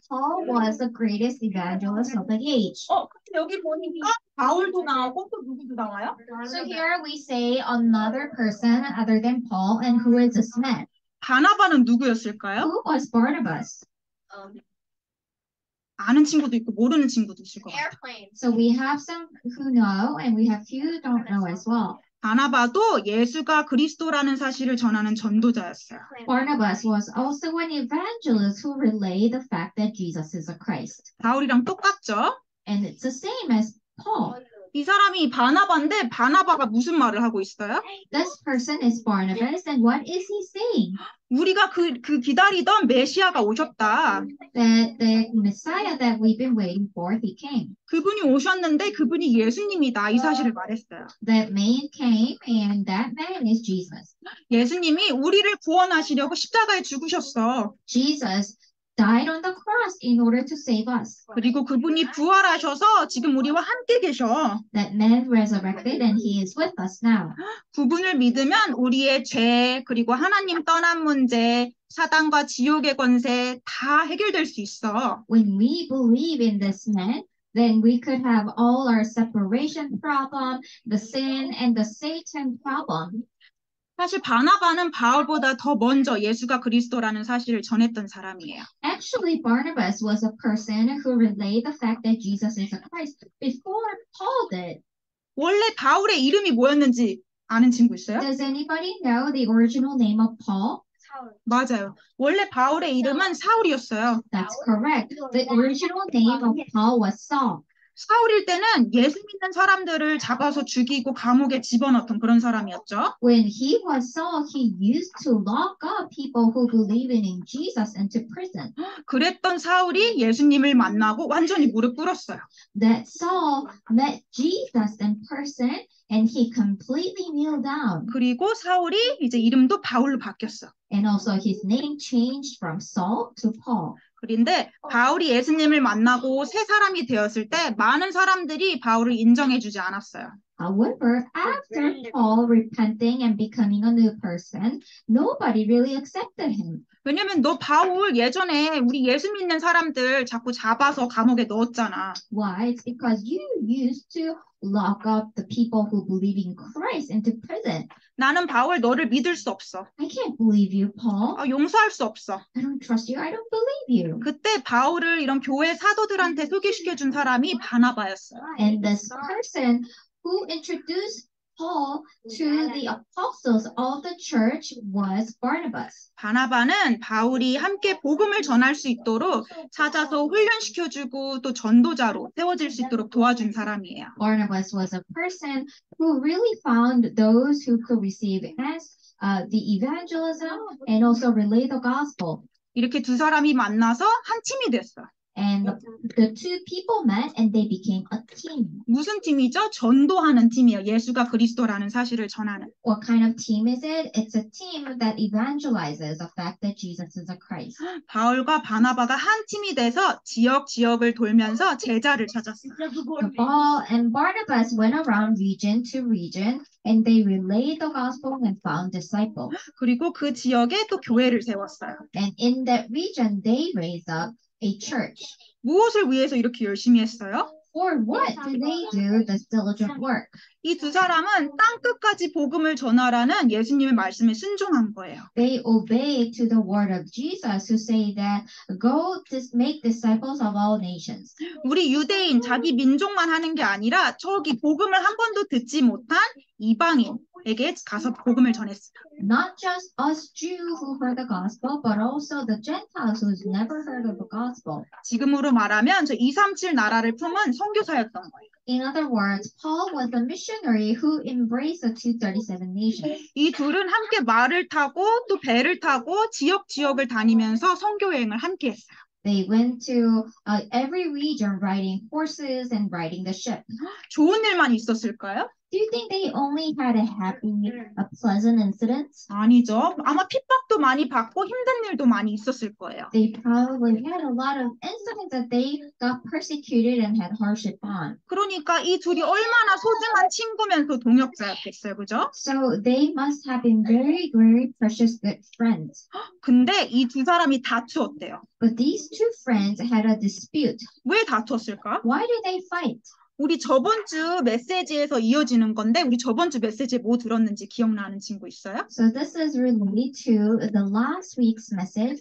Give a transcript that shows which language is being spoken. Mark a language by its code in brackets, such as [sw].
[en] Paul was the greatest evangelist of the age. [ko] 여기 보니까 바울도 나오고 또 누구도 나와요? [en] So here we say another person other than Paul, and who is this man? [ko] 바나바는 누구였을까요? [en] Who was Barnabas? [ko] 아는 친구도 있고 모르는 친구도 있을 것 같아요. [en] So we have some who know, and we have few don't know as well. [ko] 바나바도 예수가 그리스도라는 사실을 전하는 전도자였어요. [en] Barnabas was also an evangelist who relayed the fact that Jesus is a Christ. [ko] 바울이랑 똑같죠? [en] And it's the same as Paul. [ko] 이 사람이 바나바인데 바나바가 무슨 말을 하고 있어요? [en] This person is Barnabas and what is he saying? [ko] 우리가 그 기다리던 메시아가 오셨다. [en] The Messiah that we've been waiting for, he came. [ko] 그분이 오셨는데 그분이 예수님이다. 이 사실을 말했어요. [en] That man came and that man is Jesus. [ko] 예수님이 우리를 구원하시려고 십자가에 죽으셨어. [en] Jesus died on the cross in order to save us. [ko] 그리고 그분이 부활하셔서 지금 우리와 함께 계셔. [en] That man resurrected and he is with us now. [ko] 그분을 믿으면 우리의 죄 그리고 하나님 떠난 문제 사단과 지옥의 권세 다 해결될 수 있어. [en] When we believe in this man, then we could have all our separation problem, the sin and the Satan problem. [ko] 사실 바나바는 바울보다 더 먼저 예수가 그리스도라는 사실을 전했던 사람이에요. [en] Actually, Barnabas was a person who relayed the fact that Jesus is a Christ before Paul did. [ko] 원래 바울의 이름이 뭐였는지 아는 친구 있어요? [en] Does anybody know the original name of Paul? [ko] 맞아요. 원래 바울의 이름은 사울이었어요. [en] That's correct. The original name of Paul was Saul. [ko] 사울일 때는 예수 믿는 사람들을 잡아서 죽이고 감옥에 집어넣던 그런 사람이었죠. [en] When he was Saul, he used to lock up people who believe in Jesus into prison. [ko] 그랬던 사울이 예수님을 만나고 완전히 무릎 꿇었어요. [en] That Saul met Jesus in person and he completely kneeled down. [ko] 그리고 사울이 이제 이름도 바울로 바뀌었어. [en] And also his name changed from Saul to Paul. [ko] 그런데 바울이 예수님을 만나고 새 사람이 되었을 때 많은 사람들이 바울을 인정해 주지 않았어요. [en] However, after Paul repenting and becoming a new person, nobody really accepted him. [ko] 왜냐면 너 바울 예전에 우리 예수 믿는 사람들 자꾸 잡아서 감옥에 넣었잖아. [en] Why? It's because you used to lock up the people who believe in Christ into prison. [ko] 나는 바울 너를 믿을 수 없어. [en] I can't believe you, Paul. [ko] 용서할 수 없어. [en] I don't trust you. I don't believe you. [ko] 그때 바울을 이런 교회 사도들한테 소개시켜 준 사람이 바나바였어. [en] And this person who introduced Paul to the apostles of the church was Barnabas. [ko] 바나바는 바울이 함께 복음을 전할 수 있도록 찾아서 훈련시켜주고 또 전도자로 세워질 수 있도록 도와준 사람이에요. [en] Barnabas was a person who really found those who could receive as the evangelism and also relay the gospel. [ko] 이렇게 두 사람이 만나서 한 팀이 됐어. [en] And the two people met and they became a team. [ko] 무슨 팀이죠? 전도하는 팀이에요. 예수가 그리스도라는 사실을 전하는. [en] What kind of team is it? It's a team that evangelizes the fact that Jesus is a Christ. [ko] 바울과 바나바가 한 팀이 돼서 지역을 돌면서 제자를 찾았어요. [en] Paul and Barnabas went around region to region and they relayed the gospel and found disciples. [ko] 그리고 그 지역에 또 교회를 세웠어요. [en] And in that region they raised up a church. [ko] 무엇을 위해서 이렇게 열심히 했어요? [en] For what do they do this diligent work? [ko] 이 두 사람은 땅 끝까지 복음을 전하라는 예수님의 말씀에 순종한 거예요. [en] They obey to the word of Jesus who say that go make disciples of all nations. [ko] 우리 유대인 자기 민족만 하는 게 아니라 저기 복음을 한 번도 듣지 못한 이방인 에게 가서 복음을 전했어요. [en] Not just us Jews who heard the gospel, but also the Gentiles who's never heard of the gospel. [ko] 지금으로 말하면 저 237 나라를 품은 선교사였던 거예요. [en] In other words, Paul was a missionary who embraced the 237 nations. [ko] 이 둘은 함께 말을 타고 또 배를 타고 지역을 다니면서 선교 여행을 함께 했어요. [en] They went to every region riding horses and riding the ship. [ko] 좋은 일만 있었을까요? [en] Do you think they only had a happy, a pleasant incident? [ko] 아니죠. 아마 핍박도 많이 받고 힘든 일도 많이 있었을 거예요. [en] They probably had a lot of incidents that they got persecuted and had hardship on. [ko] 그러니까 이 둘이 얼마나 소중한 친구면서 동역자였겠어요, 그죠? [en] So they must have been very, very precious good friends. [ko] 근데 이 두 사람이 다투었대요. [en] But these two friends had a dispute. [ko] 왜 다투었을까? [en] Why did they fight? [ko] 우리 저번 주 메시지에서 이어지는 건데 우리 저번 주 메시지 뭐 들었는지 기억나는 친구 있어요? [en] So this is related to the last week's message.